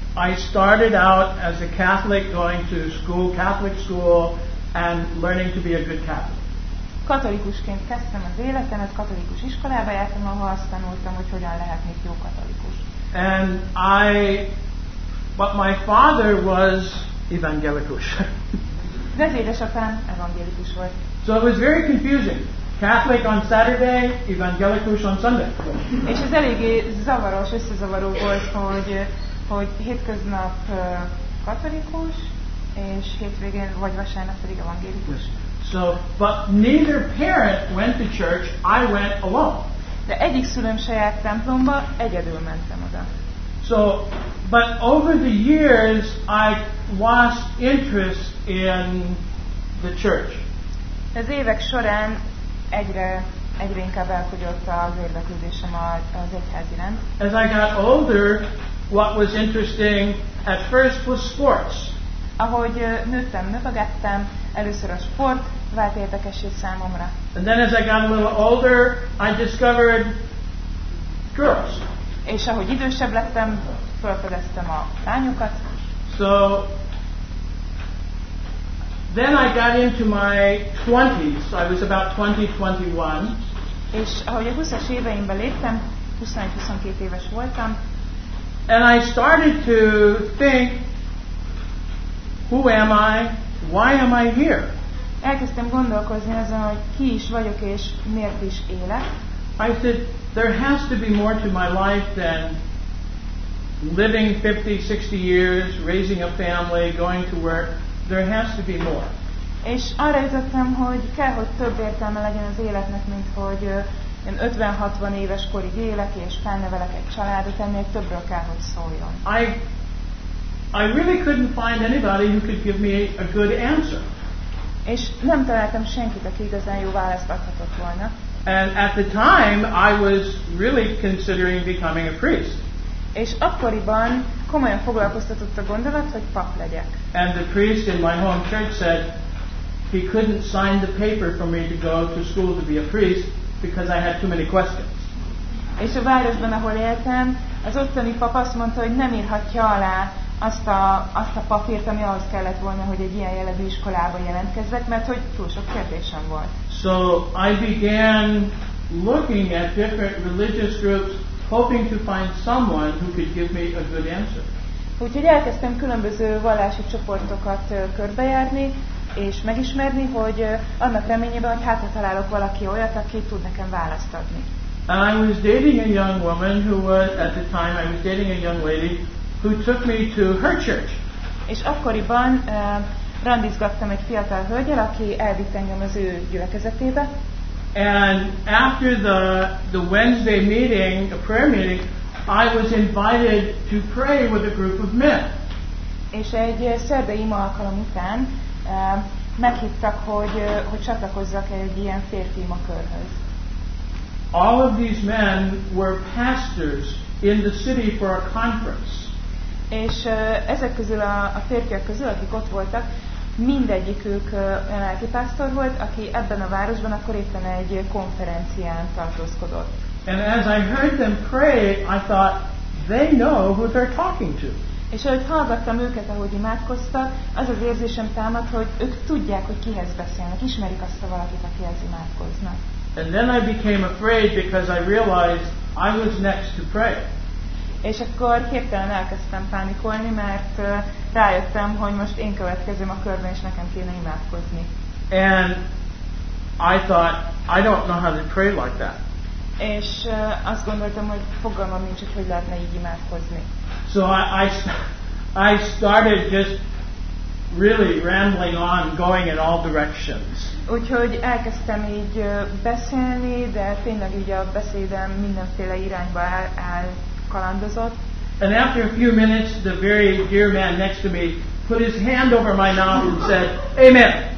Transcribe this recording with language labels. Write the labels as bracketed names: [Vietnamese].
[English] I started out as a Catholic, going to school, Catholic school, and learning to be a good Catholic. [Hungarian] Katolikusként kezdtem az életemet, katolikus iskolába jártam, ahol azt tanultam, hogy hogyan lehetnék jó katolikus. [English] And I, but my father was evangelikus. [Hungarian] De az édesapám evangelikus volt. [English] So it was very confusing. Catholic on Saturday, evangelikus on Sunday. [Hungarian] És ez eléggé zavaros, összezavaró volt, hogy hétköznap katolikus, és hétvégén vagy vasárnap pedig evangelikus. [English] So, but neither parent went to church, I went alone. [Hungarian] De egyik szülőm se járt templomba, egyedül mentem oda. [English] So, but over the years, I lost interest in the church. [Hungarian] Az évek során egyre inkább elfogyott az érdeklődésem az egyház iránt. [English] As I got older, what was interesting at first was sports. [Hungarian] Ahogy nőttem, növekedtem, először a sport vált érdekessé számomra. [English] And then as I got a little older, I discovered girls. [Hungarian] És ahogy idősebb lettem, felfedeztem a lányokat. [English] So then I got into my 20s. I was about 20-21. [Hungarian] És ahogy a 20-as éveimbe léptem, 21-22 éves voltam. [English] And I started to think, who am I? Why am I here? [Hungarian] Elkezdtem gondolkozni azon, hogy ki is vagyok és miért is élek. [English] I said, there has to be more to my life than living 50-60 years, raising a family, going to work. There has to be more. [Hungarian] És arra jutottam, hogy kell, hogy több értelme legyen az életnek, mint hogy 50-60 éves korig élek és felnevelek egy családot, ennél többről kell, hogy szóljon. [English] I really couldn't find anybody who could give me a good answer. [Hungarian] És nem találtam senkit, aki igazán jó választ adhatott volna. [English] And at the time, I was really considering becoming a priest. [Hungarian] És akkoriban komolyan foglalkoztatott a gondolat, hogy pap legyek. [English] And the priest in my home church said he couldn't sign the paper for me to go to school to be a priest because I had too many questions. [Hungarian] És a városban, ahol éltem, az ottani pap azt mondta, hogy nem írhatja alá azt a papírt, ami ahhoz kellett volna, hogy egy ilyen jellegű iskolába jelentkezzek, mert hogy túl sok kérdésem volt. [English] So I began looking at different religious groups, hoping to find someone who could give me a good answer. [Hungarian] Úgyhogy elkezdtem különböző vallási csoportokat körbejárni és megismerni, hogy annak reményében, hogy hátra találok valaki olyat, aki tud nekem választ adni. [English] And I was dating a young woman who was at the time I was dating a young lady who took me to her church. [Hungarian] És akkoriban randizgattam egy fiatal hölgyel, aki elvitt engem az ő gyülekezetébe. [English] And after the Wednesday meeting, the prayer meeting, I was invited to pray with a group of men. [Hungarian] És egy szerdai ima alkalom után meghívtak, hogy csatlakozzak egy ilyen férfi ima körhöz. [English] All of these men were pastors in the city for a conference. [Hungarian] És ezek közül a férfiak közül, akik ott voltak, mindegyikük olyan lelki pásztor volt, aki ebben a városban akkor éppen egy konferencián tartózkodott. [English] And as I heard them pray, I thought, they know who they're talking to. [Hungarian] És ahogy hallgattam őket, ahogy imádkoztak, az az érzésem támadt, hogy ők tudják, hogy kihez beszélnek, ismerik azt a valakit, akihez imádkoznak. [English] And then I became afraid because I realized I was next to pray. [Hungarian] És akkor hirtelen elkezdtem pánikolni, mert rájöttem, hogy most én következem a körben, és nekem kéne imádkozni. [English] And I thought, I don't know how to pray like that. [Hungarian] És azt gondoltam, hogy fogalmam nincs, hogy lehetne így imádkozni. [English] So I started just really rambling on, going in all directions. [Hungarian] Úgyhogy elkezdtem így beszélni, de tényleg így a beszédem mindenféle irányba elkalandozott. [English] And after a few minutes, the very dear man next to me put his hand over my mouth and said, Amen.